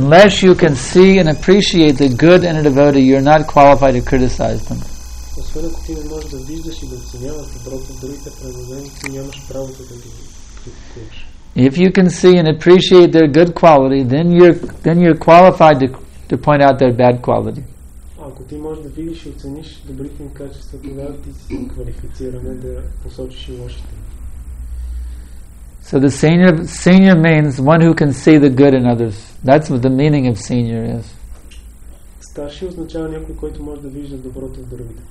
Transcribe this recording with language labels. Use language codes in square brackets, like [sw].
[en] Unless you can see and appreciate the good in a devotee, you're not qualified to criticize them. [bg] Освен ако ти не можеш да виждаш и да оценяваш доброто в другите преданодай, ти нямаш правото да ги критикуваш. [en] If you can see and appreciate their good quality, then you're qualified to point out their bad quality. [bg] Ако ти можеш да видиш и оцениш добрите им качества, тогава ти си квалифициран да посочиш и лошите. [en] So the senior means one who can see the good in others. That's what the meaning of senior is. [bg] Старши означава някой, който може да вижда доброто в другите.